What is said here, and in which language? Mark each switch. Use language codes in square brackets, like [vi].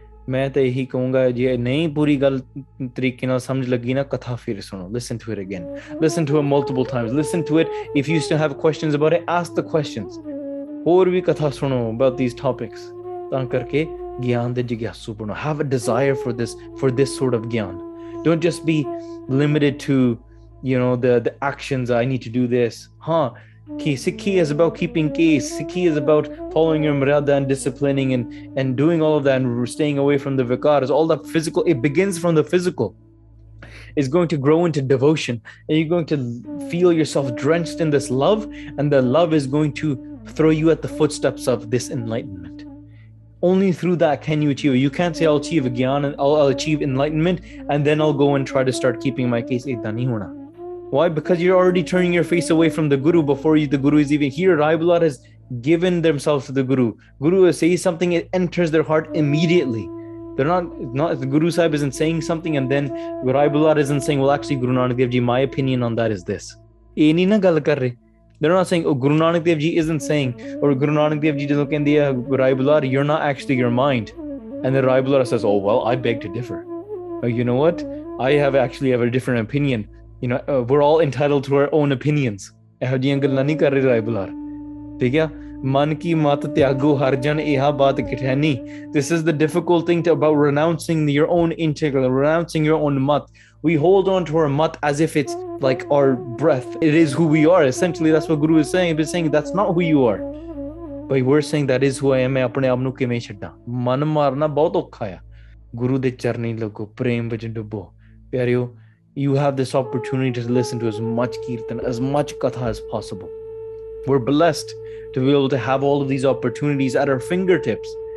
[pa] ਮੈਂ ਤਾਂ ਇਹੀ ਕਹੂੰਗਾ, ਜੇ ਨਹੀਂ ਪੂਰੀ ਗੱਲ ਤਰੀਕੇ ਨਾਲ ਸਮਝ ਲੱਗੀ ਨਾ, ਕਥਾ ਫਿਰ ਸੁਣੋ, [en] listen to it again, listen to it multiple times, listen to it if you still have questions about it, ask the questions, [pa] ਹੋਰ ਵੀ ਕਥਾ ਸੁਣੋ [en] about these topics, [pa] ਤਾਂ ਕਰਕੇ ਗਿਆਨ ਦੇ ਜਿਗਿਆਸੂ ਬਣੋ, [en] Have a desire for this, for this sort of gyan, don't just be limited to you know the actions, I need to do this. ਹਾਂ, Sikhi is about keeping case, Sikhi is about following your maryada and disciplining and doing all of that and staying away from the vikars, all that physical, it begins from the physical, is going to grow into devotion, and you're going to feel yourself drenched in this love, and the love is going to throw you at the footsteps of this enlightenment. Only through that can you achieve. You can't say I'll achieve gyan and I'll achieve enlightenment and then I'll go and try to start keeping my case. [pa] Eda nahi hona. [en] Why? Because you're already turning your face away from the Guru before the Guru is even here. Rai Bular has given themselves to the Guru. Guru is saying something, it enters their heart immediately. They're not the Guru Sahib isn't saying something and then Rai Bular isn't saying, well, actually, Guru Nanak Dev Ji, my opinion on that is this. They're not saying, oh, Guru Nanak Dev Ji isn't saying, or Guru Nanak Dev Ji, Rai Bular, you're not actually your mind. And then Rai Bular says, oh, well, I beg to differ. Oh, you know what? I have a different opinion. You know, we're all entitled to our own opinions. [pa] ਇਹੋ ਜਿਹੀਆਂ ਗੱਲਾਂ ਨਹੀਂ ਕਰ ਰਹੇ ਰਾਏ ਬੁਲਾਰ, ਠੀਕ ਆ। ਮਨ ਕੀ ਮਤ ਤਿਆਗੋ ਹਰ ਜਨ ਇਹਾ ਬਾਤ ਕਿਠੈਨੀ। [en] This is the difficult thing about renouncing your own integer, renouncing your own mat. We hold on to our mat as if it's like our breath, it is who we are essentially, that's what Guru is saying, it is saying that's not who you are, but we are saying that is who I am, [pa] ਮੈਂ ਆਪਣੇ ਆਪ ਨੂੰ ਕਿਵੇਂ ਛੱਡਾਂ। ਮਨ ਮਾਰਨਾ ਬਹੁਤ ਔਖਾ ਆ, ਗੁਰੂ ਦੇ ਚਰਨੀ ਲੱਗੋ, ਪ੍ਰੇਮ ਵਿੱਚ ਡੁੱਬੋ। [en] ਪਿਆਰਿਓ, you have this opportunity to listen to as much kirtan, as much katha as possible. We're blessed to be able to have all of these opportunities at our fingertips.